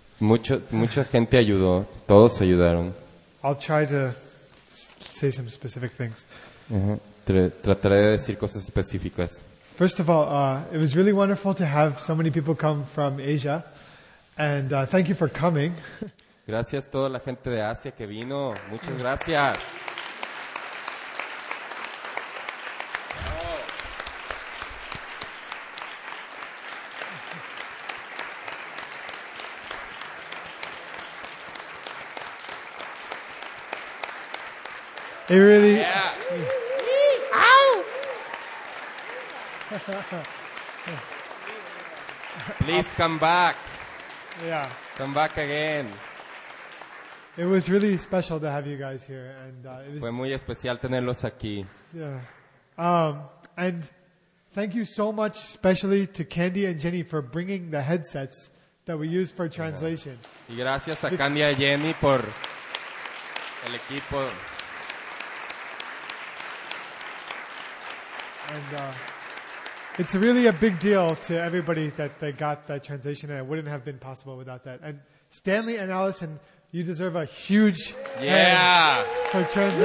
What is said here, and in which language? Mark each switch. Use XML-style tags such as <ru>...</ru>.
<es>Mucha gente ayudó, todos ayudaron.</es> <en>I'll try to say some specific things.</en> <es>Trataré de decir cosas específicas.</es> <en>First of all, it was really wonderful to have so many people come from Asia, and thank you for coming.</en> <es>Gracias a toda la gente de Asia que vino. Muchas gracias.</es> <en>It really. Yeah. Ow! Please come back. Yeah. Come back again. It was really special to have you guys here, and it was.</en> <es>Fue muy especial tenerlos aquí.</es> <en>Yeah. And thank you so much, especially to Candy and Jenny for bringing the headsets that we use for translation.</en> <es>Y gracias a Candy y Jenny por el equipo.</es> <en>And it's really a big deal to everybody that they got that translation, and it wouldn't have been possible without that. And Stanley and Allison, you deserve a huge for translating.</en>